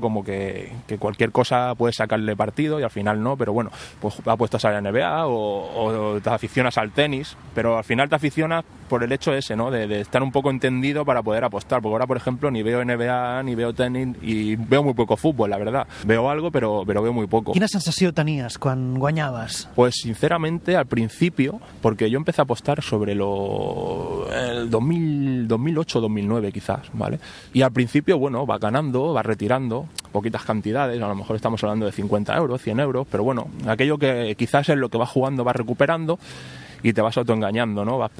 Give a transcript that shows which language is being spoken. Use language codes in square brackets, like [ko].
[es] Como que cualquier cosa puedes sacarle partido y al final no, pero bueno, pues apuestas a la NBA o te aficionas al tenis, pero al final te aficionas por el hecho ese, ¿no? De estar un poco entendido para poder apostar, porque ahora, por ejemplo, ni veo NBA, ni veo tenis y veo muy poco fútbol, la verdad. Veo algo, pero veo muy poco. [ca] ¿Quina sensació tenies quan guanyaves? [es] Pues sinceramente, al principio, porque yo empecé a apostar sobre el 2008-2009, quizás, ¿vale? Y al principio, bueno, va ganando, va retirando poquitas cantidades, a lo mejor estamos hablando de 50 euros, 100 euros, pero bueno, aquello que quizás es lo que va jugando, va recuperando y te vas autoengañando, ¿no?